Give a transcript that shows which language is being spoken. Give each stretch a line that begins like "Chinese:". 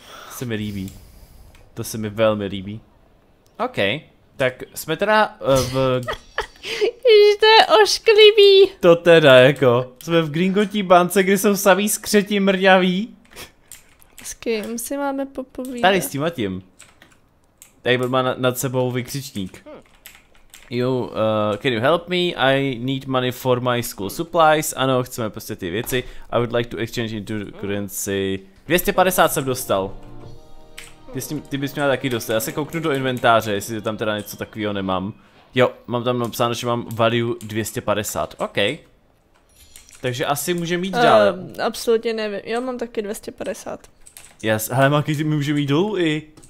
Czech: To se mi líbí. To se mi velmi líbí. OK, tak jsme teda v... Ježiš, to je ošklivý. To teda, jako. Jsme v Gringotí bance, kde jsou samý skřeti mrňavý. S kým si máme popovídat? Tady s tímhle tím. Tady má nad sebou vykřičník.
English: You, can you help me? I need money for my school supplies.
Czech: Ano, chceme prostě ty věci.
English: I would like to exchange into currency.
Czech: 250 jsem dostal. Ty bys měla taky dostat. Já se kouknu do inventáře, jestli tam teda něco takového nemám. Jo, mám tam napsáno, že mám value 250. OK. Takže asi můžeme jít dál. Absolutně nevím. Jo, mám taky 250. Jas, hele, Maki, ty můžeme jít dolů i.